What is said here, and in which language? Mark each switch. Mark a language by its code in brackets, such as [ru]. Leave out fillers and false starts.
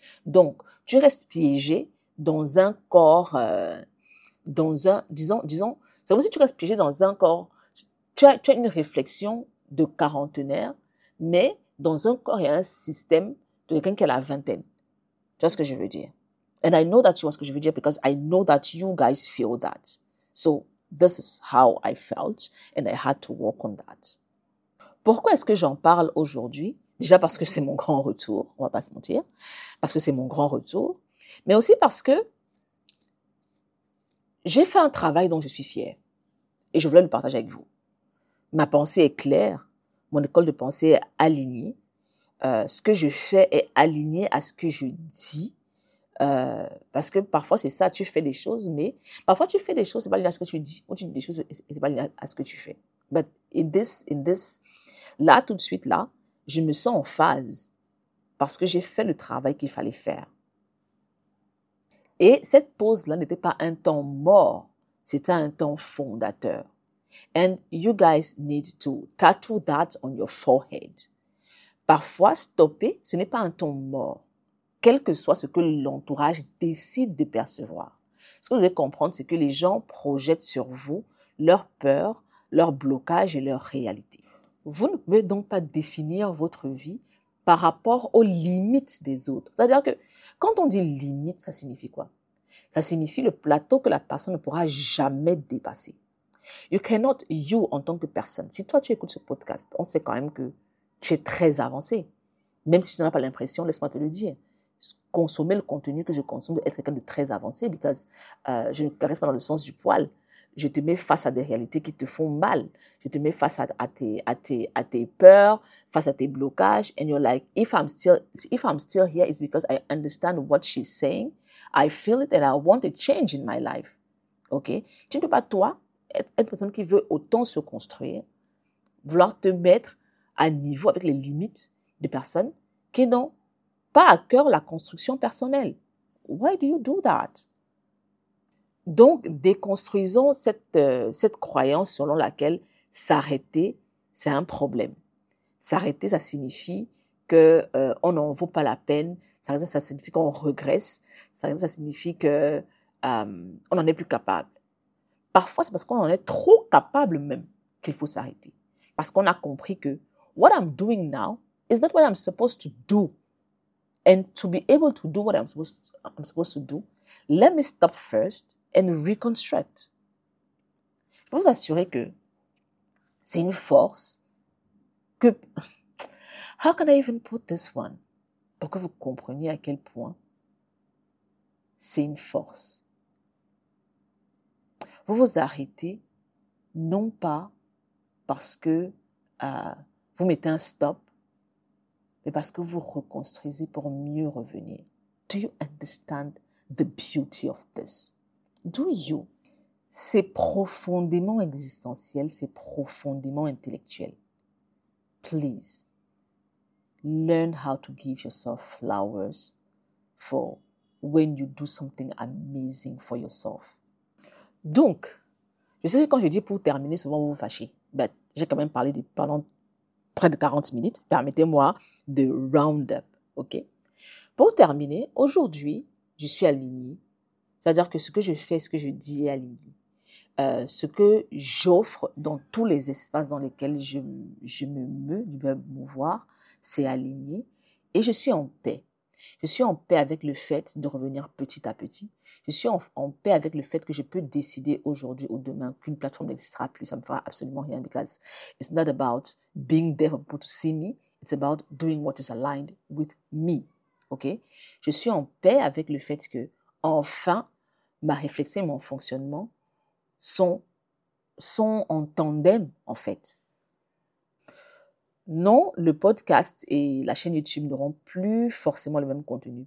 [fr] Donc, tu restes piégé dans un corps, disons, c'est comme si tu restes piégé dans un corps. Tu as une réflexion de quarantenaire, mais dans un corps et un système de quelqu'un qui a la vingtaine. Tu vois ce que je veux dire? [en] And I know that you know [fr] ce que je veux dire [en] because I know that you guys feel that. So, this is how I felt and I had to work on that. [fr] Pourquoi est-ce que j'en parle aujourd'hui? Déjà parce que c'est mon grand retour, on va pas se mentir, parce que c'est mon grand retour, mais aussi parce que j'ai fait un travail dont je suis fière et je voulais le partager avec vous. Ma pensée est claire, mon école de pensée est alignée, ce que je fais est aligné à ce que je dis, parce que parfois c'est ça, tu fais des choses, mais parfois tu fais des choses, c'est pas aligné à ce que tu dis, ou tu dis des choses, c'est pas aligné à ce que tu fais. [en] But in this, [fr] là, tout de suite, là, je me sens en phase parce que j'ai fait le travail qu'il fallait faire. Et cette pause-là n'était pas un temps mort, c'était un temps fondateur. [en] And you guys need to tattoo that on your forehead. [fr] Parfois, stopper, ce n'est pas un temps mort, quel que soit ce que l'entourage décide de percevoir. Ce que vous devez comprendre, c'est que les gens projettent sur vous leur peur, leur blocage et leur réalité. Vous ne pouvez donc pas définir votre vie par rapport aux limites des autres. C'est-à-dire que quand on dit limite, ça signifie quoi? Ça signifie le plateau que la personne ne pourra jamais dépasser. [en] You cannot, you, [fr] en tant que personne. Si toi, tu écoutes ce podcast, on sait quand même que tu es très avancé. Même si tu n'en as pas l'impression, laisse-moi te le dire. Consommer le contenu que je consomme doit être quelqu'un de très avancé because je ne caresse pas dans le sens du poil. Je te mets face à des réalités qui te font mal. Je te mets face à tes peurs, face à tes blocages. [en] And you're like, if I'm still here, it's because I understand what she's saying. I feel it and I want a change in my life. OK? [fr] Tu ne peux pas, toi, être une personne qui veut autant se construire, vouloir te mettre à niveau avec les limites des personnes qui n'ont pas à cœur la construction personnelle. [en] Why do you do that? [fr] Donc, déconstruisons cette croyance selon laquelle s'arrêter, c'est un problème. S'arrêter, ça signifie que on n'en vaut pas la peine. S'arrêter, ça signifie qu'on regresse. S'arrêter, ça signifie que on n'en est plus capable. Parfois, c'est parce qu'on en est trop capable même qu'il faut s'arrêter. Parce qu'on a compris que [en] what I'm doing now is not what I'm supposed to do. And to be able to do what I'm supposed to do, let me stop first and reconstruct. [fr] Je peux vous assurer que c'est une force que... [en] How can I even put this one? [fr] Pour que vous compreniez à quel point c'est une force. Vous vous arrêtez non pas parce que vous mettez un stop, mais parce que vous reconstruisez pour mieux revenir. [en] Do you understand the beauty of this? Do you? [fr] C'est profondément existentiel, c'est profondément intellectuel. [en] Please, learn how to give yourself flowers for when you do something amazing for yourself. [fr] Donc, je sais que quand je dis pour terminer, souvent vous vous fâchez. Mais j'ai quand même parlé de pendant près de 40 minutes, permettez-moi de [en] round up, [fr] ok? Pour terminer, aujourd'hui, je suis alignée. C'est-à-dire que ce que je fais, ce que je dis est aligné. Ce que j'offre dans tous les espaces dans lesquels je me meuvoir, c'est aligné. Et je suis en paix. Je suis en paix avec le fait de revenir petit à petit. Je suis en paix avec le fait que je peux décider aujourd'hui ou demain qu'une plateforme n'existera plus. Ça ne me fera absolument rien. [en] Because it's not about being there for people to see me. It's about doing what is aligned with me. OK? [fr] Je suis en paix avec le fait que, enfin, ma réflexion et mon fonctionnement sont en tandem, en fait. Non, le podcast et la chaîne YouTube n'auront plus forcément le même contenu.